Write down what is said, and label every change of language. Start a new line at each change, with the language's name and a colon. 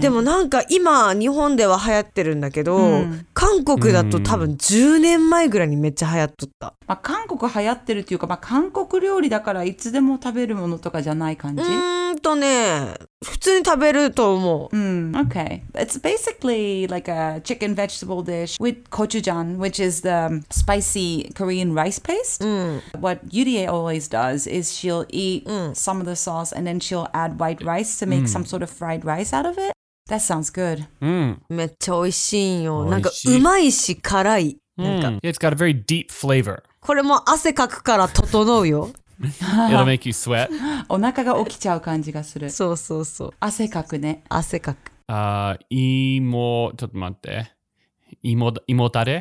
Japanese: でもなんか今日本では流行ってるんだけど、うん、韓国だと多分10年前ぐらいにめっちゃ流行っとった、うん。まあ、韓国流行ってるっていうか、まあ、韓国料理だからいつでも食べるものとかじゃない感じ。ね、普通に食べると思う、うん、Okay.
English: It's basically like a chicken vegetable dish with gochujang, which is the spicy Korean rice paste.、うん、 What Yurie always does is she'll eat、うん、some of the sauce and then she'll add white rice to make、うん、some sort of fried rice out of it. That sounds good.、うん、
Japanese: めっちゃ美味しいよ。なんかうまいし辛い、なんか、うん、
English: It's got a very deep flavor.
Japanese: これも汗かくから整うよ。
English: It'll make you sweat.
Japanese: お腹が起きちゃう感じがする。そうそうそう。汗かくね。汗かく。芋、ちょっと待って。芋たれ？